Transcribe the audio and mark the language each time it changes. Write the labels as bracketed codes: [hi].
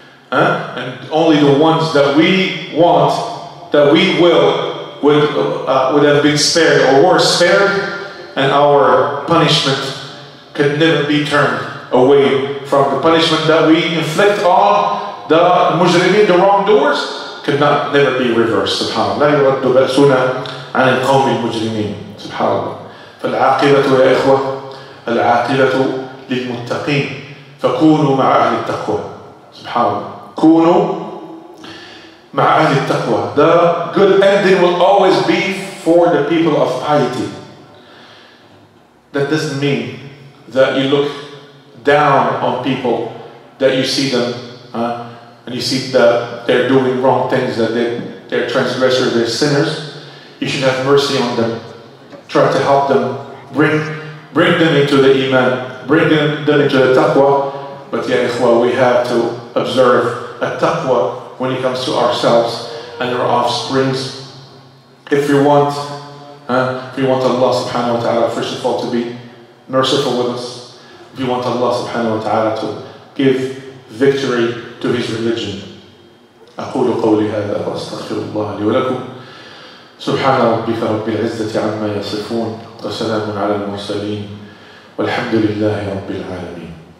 [en] And only the ones that we want, that we will, would have been spared, or were spared, and our punishment could never be turned away from. The punishment that we inflict on the mujrimin, the wrongdoers, could not never be reversed, subhanAllah. [ar] لا يرد بأسنا عن القوم المجرمين, [en] subhanAllah. [ar] فالعاقبة يا إخوة, العاقبة للمتقين, فكونوا مع أهل التقوى, subhanAllah. كونوا مع أهل التقوى. [en] The good ending will always be for the people of piety. That doesn't mean that you look down on people, that you see them and you see that they're doing wrong things, that they're transgressors, they're sinners. You should have mercy on them. Try to help them. Bring them into the iman. Bring them into the taqwa. But ya ikhwa, we have to observe a taqwa when it comes to ourselves and our offsprings. If we want Allah subhanahu wa ta'ala, first of all, to be merciful with us, if we want Allah subhanahu wa ta'ala to give victory to His religion. [ar] أقول قولي هذا وأستغفر الله لي ولكم. سبحان ربك رب العزة عما يصفون وسلام على المرسلين والحمد لله رب العالمين.